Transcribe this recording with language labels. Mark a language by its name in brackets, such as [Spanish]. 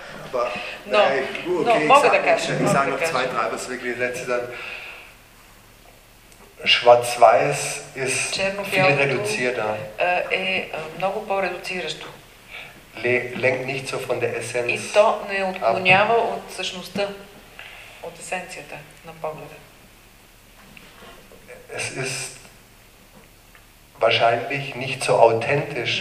[German] Aber, okay, ich sage noch zwei, drei, was wirklich die letzte dann. Schwarz-Weiß ist viel reduzierter. [Bulgarian] Много по-редуциращо. [German] Lenkt nicht so von der Essenz. [Bulgarian] И то не отклонява от същността, от есенцията на погледа. [German] Es ist wahrscheinlich nicht so authentisch.